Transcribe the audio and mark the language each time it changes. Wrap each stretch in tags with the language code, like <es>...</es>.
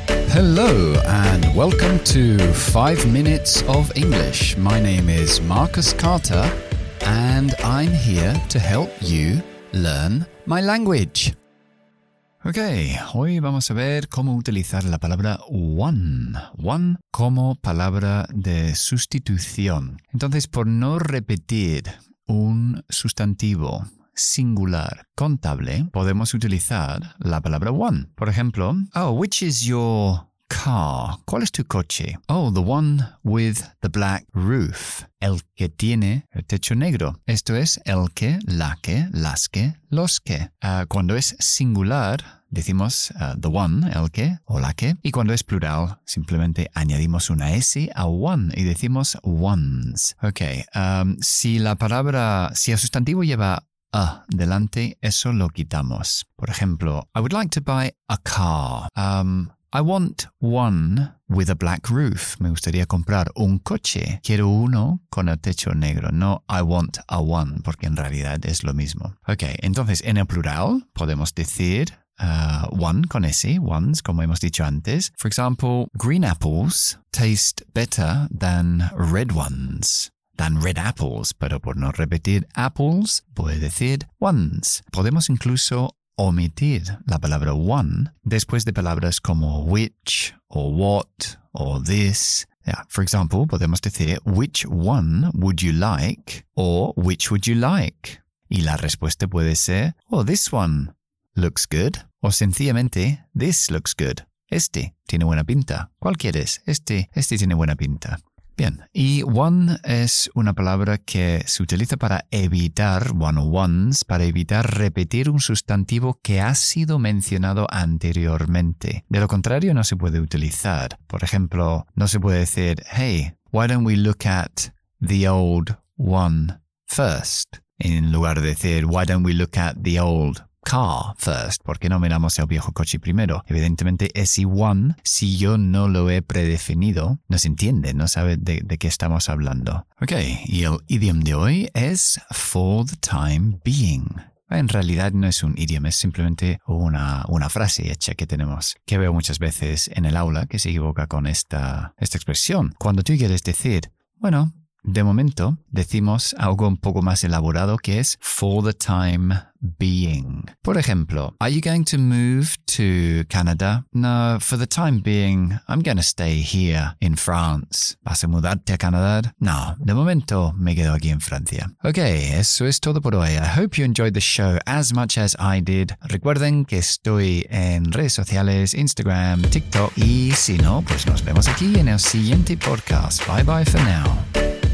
<en>Hello and welcome to 5 Minutes of English. My name is Marcus Carter and I'm here to help you learn my language.</en> <es>Ok, hoy vamos a ver cómo utilizar la palabra one. One como palabra de sustitución. Entonces, por no repetir un sustantivo singular contable, podemos utilizar la palabra one. Por ejemplo,</es> <en>oh, which is your car.</en> <es>¿Cuál es tu coche?</es> <en>Oh, the one with the black roof.</en> <es>El que tiene el techo negro. Esto es el que, la que, las que, los que. Cuando es singular, decimos the one, el que o la que. Y cuando es plural, simplemente añadimos una S a one y decimos ones. Ok, si el sustantivo lleva a delante, eso lo quitamos. Por ejemplo,</es> <en>I would like to buy a car. I want one with a black roof.</en> <es>Me gustaría comprar un coche. Quiero uno con el techo negro. No,</es> <en>I want a one,</en> <es>porque en realidad es lo mismo. Ok, entonces en el plural podemos decir one con S, ones, como hemos dicho antes.</es> <en>For example, green apples taste better than red ones. Than red apples.</en> <es>Pero por no repetir apples, puede decir ones. Podemos incluso omitir la palabra one después de palabras como which, or what, or this. Yeah.</es> <en>For example,</en> <es>podemos decir</es> <en>which one would you like, or which would you like?</en> <es>Y la respuesta puede ser,</es> <en>oh, this one looks good.</en> <es>O sencillamente,</es> <en>this looks good.</en> <es>Este tiene buena pinta. ¿Cuál quieres? Este tiene buena pinta. Bien, y one es una palabra que se utiliza para evitar, one or ones, para evitar repetir un sustantivo que ha sido mencionado anteriormente. De lo contrario, no se puede utilizar. Por ejemplo, no se puede decir,</es> <en>hey, why don't we look at the old one first?</en> <es>En lugar de decir,</es> <en>why don't we look at the old car first,</en> <es>¿por qué no miramos el viejo coche primero? Evidentemente, ese one, si yo no lo he predefinido, no se entiende, no sabe de qué estamos hablando. Ok, y el idioma de hoy es</es> <en>for the time being.</en> <es>En realidad no es un idioma, es simplemente una frase hecha que tenemos, que veo muchas veces en el aula que se equivoca con esta expresión. Cuando tú quieres decir, bueno, de momento, decimos algo un poco más elaborado que es</es> <en>for the time being.</en> <es>Por ejemplo,</es> <en>are you going to move to Canada? No, for the time being, I'm going to stay here in France.</en> <es>¿Vas a mudarte a Canadá? No, de momento me quedo aquí en Francia. Ok, eso es todo por hoy.</es> <en>I hope you enjoyed the show as much as I did.</en> <es>Recuerden que estoy en redes sociales, Instagram, TikTok. Y si no, pues nos vemos aquí en el siguiente podcast.</es> <en>Bye bye for now.</en>